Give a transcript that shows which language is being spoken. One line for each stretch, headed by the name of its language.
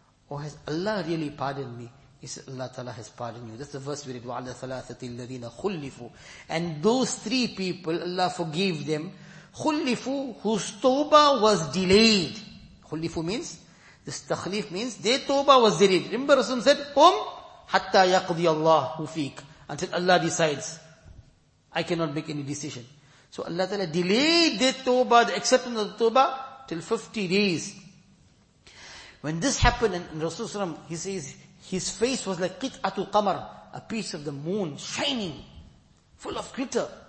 English: Or has Allah really pardoned me? He said, Allah Ta'ala has pardoned you. That's the verse we read,
Arabic: وَعَلَى ثَلَاثَةِ الَّذِينَ خُلِّفُوا.
English: And those three people, Allah forgave them, خُلِّفُوا, whose tawbah was delayed. خُلِّفُوا means, this takhlif means, their tawbah was delayed. Remember Rasul said,
Arabic: قُمْ حَتَّى يَقْضِيَ اللَّهُ فِيكَ.
English: Until Allah decides, I cannot make any decision. So Allah Ta'ala delayed their tawbah, the acceptance of the tawbah, till 50 days. When this happened, and Rasulullah, he says, his face was like qit'atul qamar, a piece of the moon, shining, full of glitter.